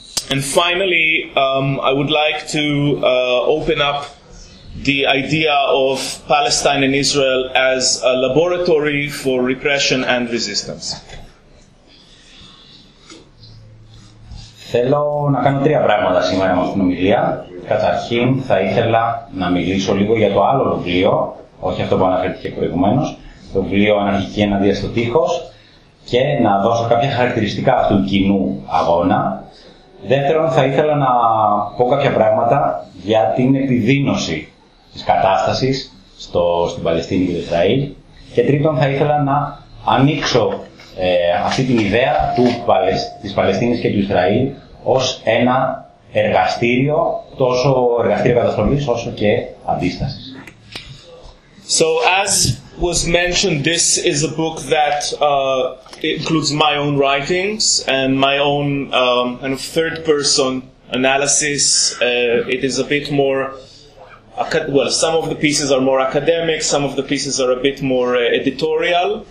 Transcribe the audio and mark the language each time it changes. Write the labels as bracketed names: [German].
[English] And finally, I would like to open up the idea of Palestine and Israel as a laboratory for repression and resistance. [Greek] Θέλω να κάνω τρία πράγματα σήμερα με αυτήν την ομιλία. Καταρχήν, θα ήθελα να μιλήσω λίγο για το άλλο βιβλίο, όχι αυτό που αναφέρθηκε προηγουμένως, το βιβλίο «Αναρχική ενάντια στο τείχος», και να δώσω κάποια χαρακτηριστικά αυτού του κοινού αγώνα. Δεύτερον, θα ήθελα να πω κάποια πράγματα για την επιδείνωση της κατάστασης στην Παλαιστίνη και το Ισραήλ. Και τρίτον, θα ήθελα να ανοίξω αυτή την ιδέα της Παλαιστίνης και του Ισραήλ ως ένα εργαστήριο, τόσο εργαστήριο καταστολής όσο και αντίστασης. [English] So, as was mentioned, this is a book that includes my own writings and my own kind of third-person analysis. It is a bit more, well, some of the pieces are more academic, some of the pieces are a bit more editorial.